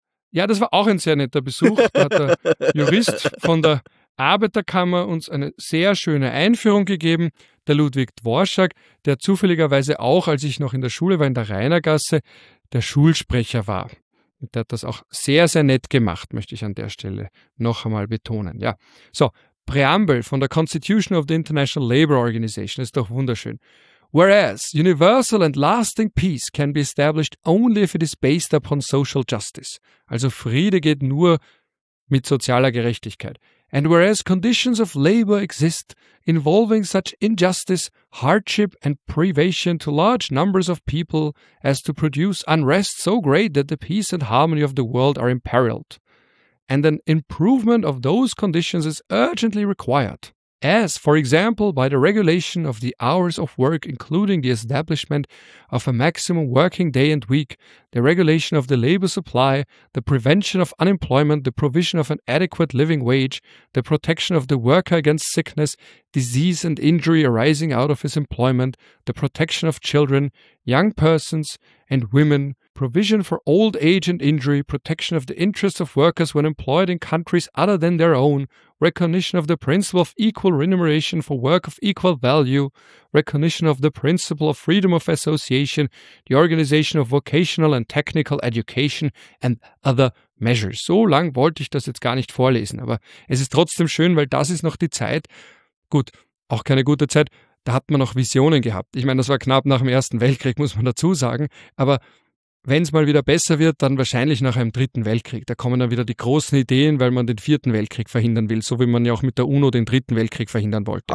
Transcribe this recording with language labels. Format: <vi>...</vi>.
<de>Ja, das war auch ein sehr netter Besuch. Da hat der Jurist von der Arbeiterkammer uns eine sehr schöne Einführung gegeben, der Ludwig Dworschak, der zufälligerweise auch, als ich noch in der Schule war, in der Rainergasse, der Schulsprecher war. Und der hat das auch sehr, sehr nett gemacht, möchte ich an der Stelle noch einmal betonen. Ja, so, Präambel von der Constitution of the International Labour Organization ist doch wunderschön.</de> <en>Whereas universal and lasting peace can be established only if it is based upon social justice.</en> <de>Also Friede geht nur mit sozialer Gerechtigkeit.</de> <en>And whereas conditions of labor exist involving such injustice, hardship and privation to large numbers of people as to produce unrest so great that the peace and harmony of the world are imperiled, and an improvement of those conditions is urgently required, as, for example, by the regulation of the hours of work, including the establishment of a maximum working day and week, the regulation of the labor supply, the prevention of unemployment, the provision of an adequate living wage, the protection of the worker against sickness, disease and injury arising out of his employment, the protection of children, young persons and women, provision for old age and injury, protection of the interests of workers when employed in countries other than their own, recognition of the principle of equal remuneration for work of equal value, recognition of the principle of freedom of association, the organization of vocational and technical education and other measures.</en> <de>So lang wollte ich das jetzt gar nicht vorlesen, aber es ist trotzdem schön, weil das ist noch die Zeit. Gut, auch keine gute Zeit, da hat man noch Visionen gehabt. Ich meine, das war knapp nach dem Ersten Weltkrieg, muss man dazu sagen, aber wenn es mal wieder besser wird, dann wahrscheinlich nach einem Dritten Weltkrieg. Da kommen dann wieder die großen Ideen, weil man den Vierten Weltkrieg verhindern will, so wie man ja auch mit der UNO den Dritten Weltkrieg verhindern wollte.</de>